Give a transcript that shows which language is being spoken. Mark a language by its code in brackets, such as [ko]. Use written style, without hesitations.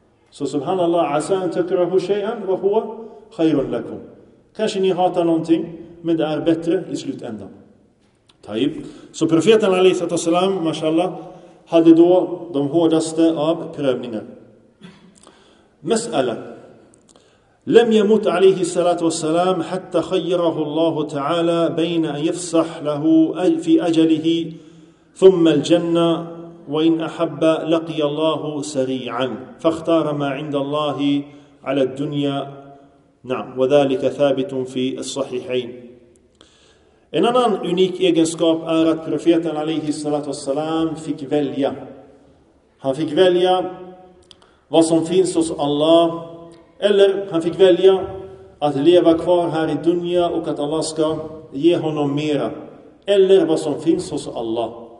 [sv] Så [ar] subhanallah, asa an takrahu shay'an wa huwa khayrun lakum. [sv] Kanske ni hatar någonting, men det är bättre i slutändan. Taib. Så profeten alaihi salam, mashallah, hade då de hårdaste av prövningar. [ar] مسألة لم يمت عليه الصلاة والسلام حتى خيره الله تعالى بين أن يفسح له في أجله ثم الجنة وإن أحب لقي الله سريعا فاختار ما عند الله على الدنيا نعم وذلك ثابت في الصحيحين. [sv] En annan unik egenskap är att profeten [ar] عليه الصلاة والسلام [sv] fick välja. Han fick välja vad som finns hos Allah, eller han fick välja att leva kvar här i dunya och att Allah ska ge honom mera, eller vad som finns hos Allah.